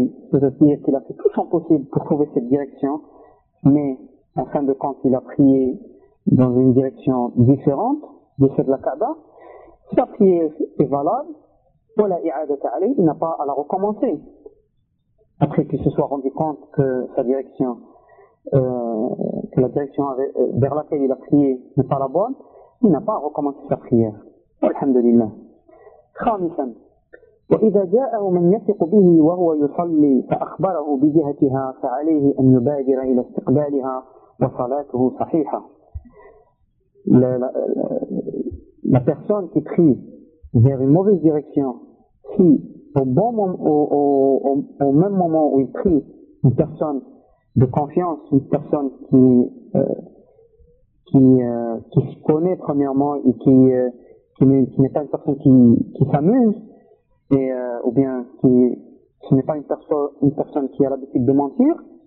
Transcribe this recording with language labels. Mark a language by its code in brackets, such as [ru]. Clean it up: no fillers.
[fr] c'est-à-dire qu'il a fait tout son possible pour trouver cette direction, mais en fin de compte il a prié dans une direction différente, de faire de la Kaaba, sa prière est valable, ou [ar] la i'adat alayhi, [fr] il n'a pas à la recommencer. Après qu'il se soit rendu compte que sa direction, que la direction vers laquelle il a prié n'est pas la bonne, il n'a pas à recommencer sa prière. [ar] Alhamdulillah. Khamisan. وإذا جاءه من يثق به وهو يصلي فأخبره بجهتها فعليه أن يبادر إلى استقبالها وصلاته صحيحة. [fr] La personne qui prie vers une mauvaise direction, si au bon moment, au même moment où il prie, une personne de confiance, une personne qui se connaît premièrement et qui n'est pas une personne qui s'amuse, ou bien qui ce n'est pas une personne qui a l'habitude de mentir,